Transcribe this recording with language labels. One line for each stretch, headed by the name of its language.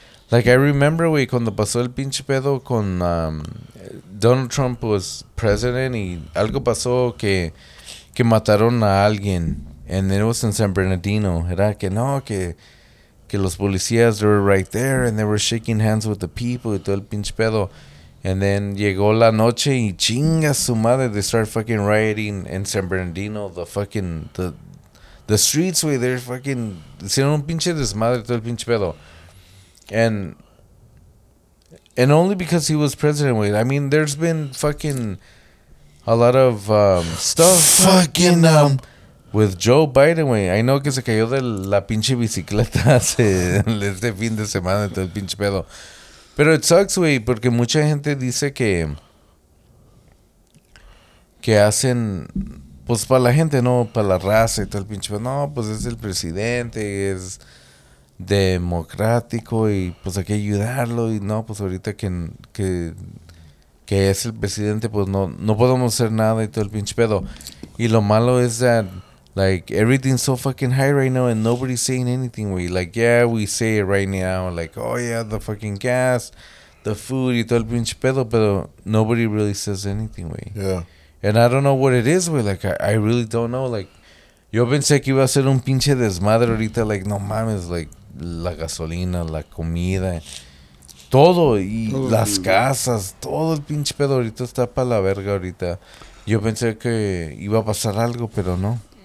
English: Like, I remember,
Spanish: güey, cuando pasó el pinche pedo con Donald Trump
English: was president
Spanish: y algo pasó que mataron a alguien.
English: And then it was in San Bernardino.
Spanish: Era que no, que los policías
English: were right there and they were shaking hands with the people
Spanish: y todo el pinche pedo.
English: And then
Spanish: llegó la noche y chinga su madre,
English: they start fucking rioting in San Bernardino, the streets, güey, they're fucking,
Spanish: hicieron un pinche desmadre todo el pinche pedo.
English: And only because he was president. Wait, I mean, there's been fucking a lot of stuff. Fucking
Spanish: With Joe Biden, güey.
English: I know
Spanish: que se cayó de la pinche bicicleta hace este fin de semana, todo el pinche pedo. Pero
English: it sucks,
Spanish: güey, porque mucha gente dice que hacen, pues, para la gente, no, para la raza y todo el pinche pedo. No, pues, es el presidente y es democrático y, pues, hay que ayudarlo. Y no, pues, ahorita que es el presidente, pues, no podemos hacer nada y todo el pinche pedo. Y lo malo es
English: that, like, everything's so fucking high right now and nobody's saying anything. We like, yeah, we say it right now. Like, oh, yeah, the fucking gas, the food,
Spanish: y todo el pinche pedo, pero
English: nobody really says anything, we. Yeah. And I don't know what it is, we. Like, I really don't know.
Spanish: Like, yo pensé que iba a ser un pinche desmadre ahorita. Like, no mames, like, la gasolina, la comida, todo, y las casas, todo el pinche pedo ahorita está para la verga ahorita. Yo pensé que iba a pasar algo, pero no.